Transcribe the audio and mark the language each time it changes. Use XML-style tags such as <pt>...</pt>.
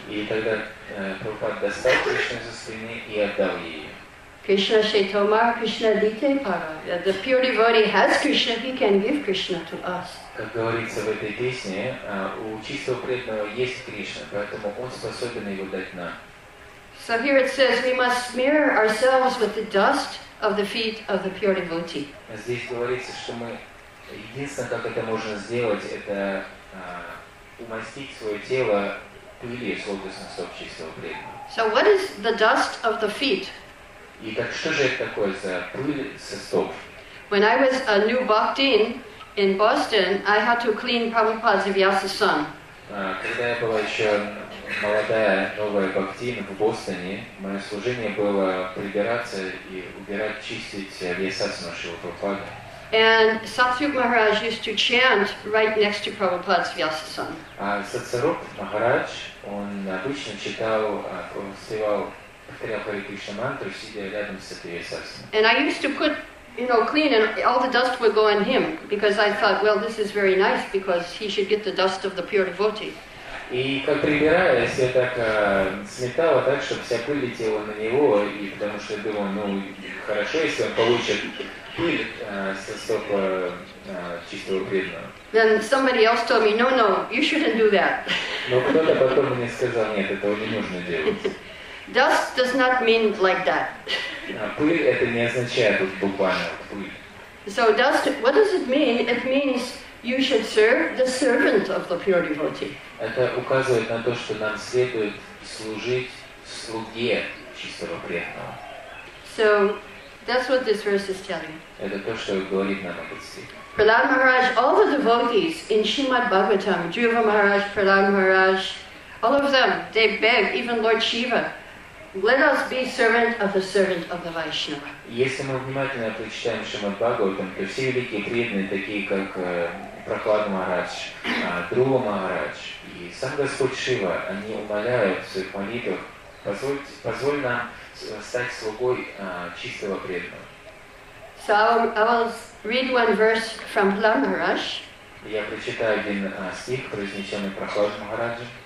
<ru>И тогда Прабхупада достал Кришну за спины и отдал ей.</ru> <bn>Krishna Shetomar, Krishna Dite Para.</bn> <en>The pure devotee has Krishna, he can give Krishna to us.</en> <ru>Как говорится в этой песне, у чистого преданного есть Кришна, поэтому он способен его дать нам.</ru> <en>So here it says we must smear ourselves with the dust of the feet of the pure devotee.</en> <ru>Здесь говорится, что мы Единственное, как это можно сделать, это умастить свое тело пылью с лотосным стоп чистого преданного.</ru> <en>So what is the dust of the feet?</en> <ru>И так что же это такое за пыль со стоп?</ru> <en>When I was a new bhaktin in Boston, I had to clean Prabhupada's Vyasa Sun.</en> <ru>Когда я была еще молодая, новая бхактина в Бостоне, мое служение было прибираться и убирать, чистить Вьяса Сан Шрилы Прабхупады.</ru> <en>And Satyuk Maharaj used to chant right next to Prabhupada's Vyasa Sun.</en> <ru>Satsarup Maharaj, он обычно читал, спевал, повторял Hare Krishna мантру, сидя рядом с этой Vyasa Sun.</ru> <en>And I used to put, you know, clean, and all the dust would go on him, because I thought, well, this is very nice, because he should get the dust of the pure devotee.</en> <ru>И как прибираясь, я так сметала так, чтобы вся пыль летела на него, и потому что я думал, ну, хорошо, если он получит пыль со стопа чистого преданного.</ru> <en>Then somebody else told me, no, no, you shouldn't do that.</en> <ru>Но кто-то потом мне сказал, нет, этого не нужно делать.</ru> <en>Dust does not mean like that.</en> <ru>Пыль это не означает вот буквально пыль.</ru> <en>So dust, what does it mean? It means you should serve the servant of the pure devotee.</en> <ru>Это указывает на то, что нам следует служить слуге чистого преданного.</ru> <en>So that's what this verse is telling.</en> <ru>Это то, что говорит нам об этом.</ru> <en>Pralhad Maharaj, all the devotees in Srimad Bhagavatam, Dhruva Maharaj, Pralhad Maharaj, all of them, they beg, even Lord Shiva, let us be servant of the servant of the Vaishnava.</en> <ru>Если мы внимательно прочитаем Шримад Бхагаватам, то все великие преданные, такие как Прохлад Махарадж, Друва Махарадж и сам Господь Шива, они умоляют в своих молитвах, позволь нам стать слугой чистого преданного.</ru> <en>So I will read one verse from Prahlad Maharaj.</en> <ru>Я прочитаю один стих, произнесенный Прохлад Махараджем.</ru>